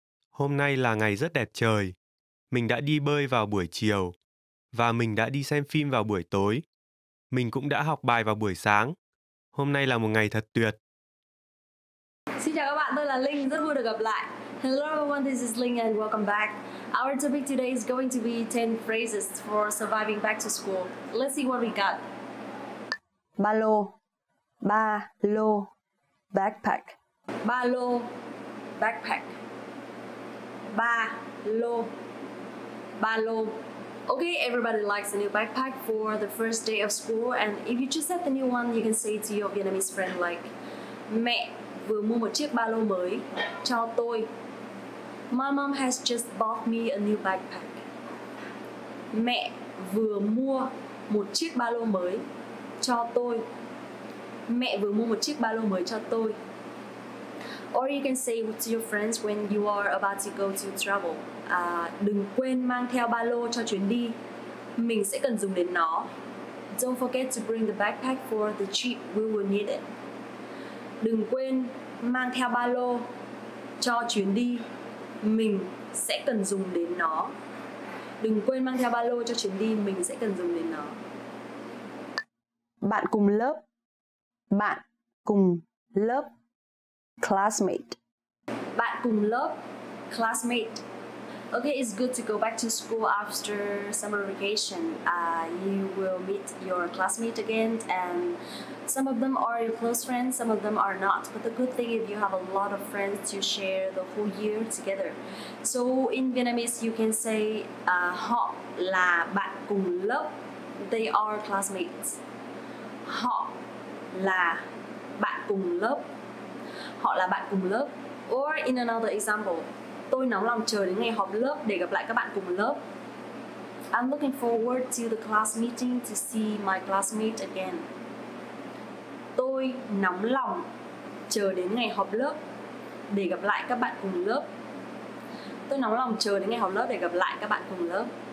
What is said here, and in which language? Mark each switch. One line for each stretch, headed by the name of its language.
Vietnamese: Hôm nay là ngày rất đẹp trời. Mình đã đi bơi vào buổi chiều. Và mình đã đi xem phim vào buổi tối. Mình cũng đã học bài vào buổi sáng. Hôm nay là một ngày thật tuyệt. Xin chào các bạn, tôi là Linh, rất vui được gặp lại.
English: Hello everyone, this is Linh and welcome back. Our topic today is going to be 10 phrases for surviving back to school. Let's see what we got.
Vietnamese: Ba lô. Ba lô. Backpack. Ba lô. Backpack. Ba lô. Ba lô.
English: Okay, everybody likes a new backpack for the first day of school. And if you just have the new one, you can say to your Vietnamese friend like,
Vietnamese: mẹ vừa mua một chiếc ba lô mới cho tôi.
English: My mom has just bought me a new backpack.
Vietnamese: Mẹ vừa mua một chiếc ba lô mới cho tôi. Mẹ vừa mua một chiếc ba lô mới cho tôi.
English: Or you can say to your friends when you are about to go to travel,
Vietnamese: đừng quên mang theo ba lô cho chuyến đi. Mình sẽ cần dùng đến nó.
English: Don't forget to bring the backpack for the trip. We will need it.
Vietnamese: Đừng quên mang theo ba lô cho chuyến đi. Mình sẽ cần dùng đến nó. Đừng quên mang theo ba lô cho chuyến đi. Mình sẽ cần dùng đến nó. Bạn cùng lớp. Bạn cùng lớp. Classmate.
English: Bạn cùng lớp. Classmate. Okay, it's good to go back to school after summer vacation. You will meet your classmate again, and some of them are your close friends, some of them are not. But the good thing is you have a lot of friends to share the whole year together. So in Vietnamese, you can say
Vietnamese: họ là bạn cùng lớp.
English: They are classmates.
Vietnamese: Họ là bạn cùng lớp. Họ là bạn cùng lớp.
English: Or in another example,
Vietnamese: tôi nóng lòng chờ đến ngày họp lớp để gặp lại các bạn cùng lớp.
English: I'm looking forward to the class meeting to see my classmate again.
Vietnamese: Tôi nóng lòng chờ đến ngày họp lớp để gặp lại các bạn cùng lớp. Tôi nóng lòng chờ đến ngày họp lớp để gặp lại các bạn cùng lớp.